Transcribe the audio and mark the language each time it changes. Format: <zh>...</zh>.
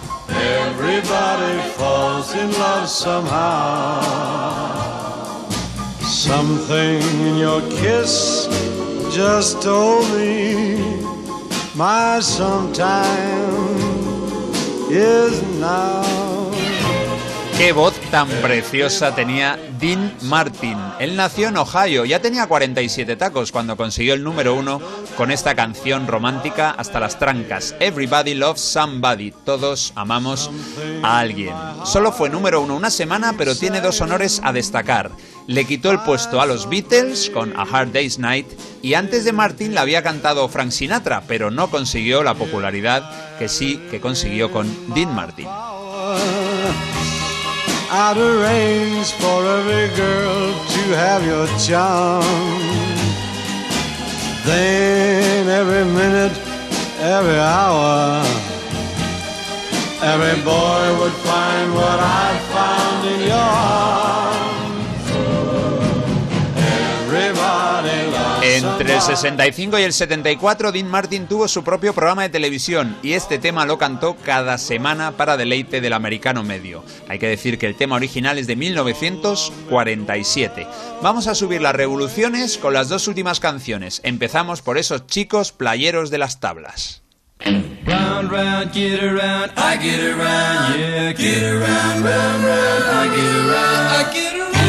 <en>Everybody falls in love somehow. Something in your kiss just told me my sometime is now.</en> <es>Qué voz tan preciosa tenía Dean Martin. Él nació en Ohio, ya tenía 47 tacos cuando consiguió el número uno con esta canción romántica hasta las trancas.</es> <en>Everybody loves somebody.</en> <es>Todos amamos a alguien. Solo fue número uno una semana, pero tiene dos honores a destacar. Le quitó el puesto a los Beatles con A Hard Day's Night y antes de Martin la había cantado Frank Sinatra, pero no consiguió la popularidad que sí que consiguió con Dean Martin.</es> <en>Out of range for every girl to have your charm. Then every minute, every hour, every boy would find what I found in your arms. Everybody loves somebody.</en> <es>Entre el 65 y el 74, Dean Martin tuvo su propio programa de televisión y este tema lo cantó cada semana para deleite del americano medio. Hay que decir que el tema original es de 1947. Vamos a subir las revoluciones con las dos últimas canciones. Empezamos por esos chicos playeros de las tablas.</es> <en>Round, round, get around, I get around, yeah, get around, round, round, I get around, I get around.</en>